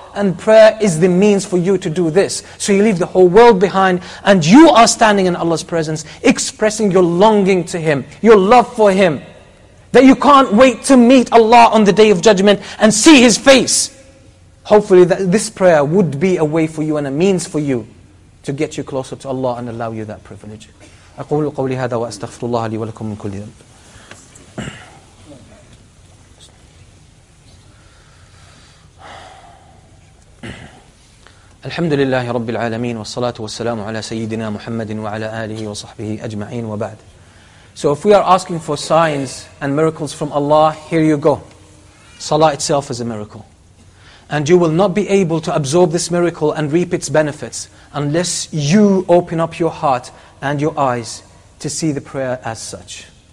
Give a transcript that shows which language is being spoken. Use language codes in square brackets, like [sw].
[en] And prayer is the means for you to do this. So you leave the whole world behind, and you are standing in Allah's presence, expressing your longing to Him, your love for Him. That you can't wait to meet Allah on the Day of Judgment and see His face. Hopefully that this prayer would be a way for you and a means for you to get you closer to Allah and allow you that privilege. [ar] أقول قولي هذا وأستغفر الله لي ولكم من كل ذنب. الحمد لله رب العالمين والصلاة والسلام على سيدنا محمد وعلى آله وصحبه أجمعين وبعد. [en] So if we are asking for signs and miracles from Allah, here you go. Salah itself is a miracle. And you will not be able to absorb this miracle and reap its benefits unless you open up your heart and your eyes to see the prayer as such.